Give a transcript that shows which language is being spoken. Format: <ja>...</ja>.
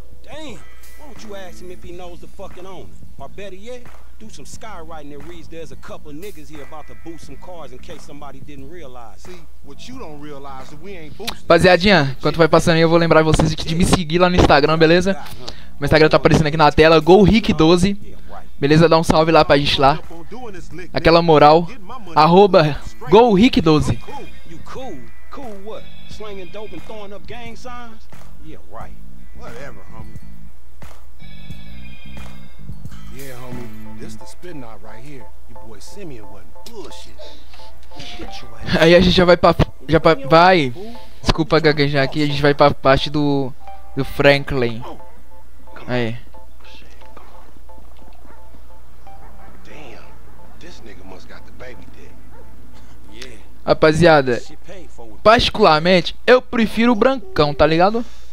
<en>Damn, why don't you ask him if he knows the fucking owner? Or better yet, do some skywriting and reads there's a couple of niggas here about to boost some cars in case somebody didn't realize. See, what you don't realize is we ain't boosting.</en> <pt>Rapaziadinha, enquanto vai passando aí, eu vou lembrar vocês de me seguir lá no Instagram, beleza? Meu Instagram tá aparecendo aqui na tela, GoRick12. Beleza? Dá um salve lá pra gente lá. Aquela moral. Arroba GoRick12.</pt> <en>You cool? Cool what? Slinging dope and throwing up gang signs? Yeah, right. Whatever, homie. Yeah, homie. This the spin knot right here. Your boy Simeon wasn't bullshit.</en> <pt>Aí a gente já vai pra... Vai! Desculpa gaguejar aqui. A gente vai pra parte do... Do Franklin. Aí.</pt> <en>Damn. This nigga must got the baby dick.</en> <pt>Yeah. Rapaziada. Particularmente, eu prefiro o brancão, tá ligado?</pt>